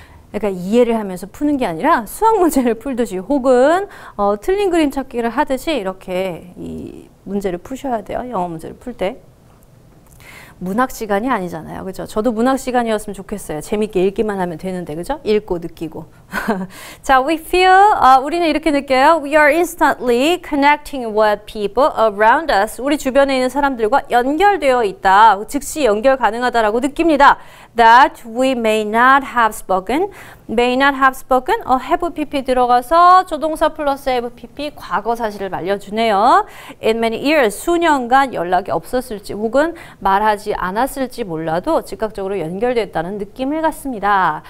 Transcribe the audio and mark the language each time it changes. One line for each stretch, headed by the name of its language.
Korean: 그러니까 이해를 하면서 푸는 게 아니라 수학 문제를 풀듯이 혹은 틀린 그림 찾기를 하듯이 이렇게 이 문제를 푸셔야 돼요. 영어 문제를 풀 때. 문학 시간이 아니잖아요. 그죠? 저도 문학 시간이었으면 좋겠어요. 재밌게 읽기만 하면 되는데. 그죠? 읽고 느끼고. 자,
English: we feel,
Korean: 우리는 이렇게 느껴요.
English: We are instantly connecting with people around us.
Korean: 우리 주변에 있는 사람들과 연결되어 있다. 즉시 연결 가능하다라고 느낍니다.
English: That we may not have spoken. May not have spoken.
Korean: Have PP 들어가서 조동사 플러스 have PP 과거 사실을 말려주네요.
English: In many years,
Korean: 수년간 연락이 없었을지 혹은 말하지 않았을지 몰라도 즉각적으로 연결됐다는 느낌을 갖습니다.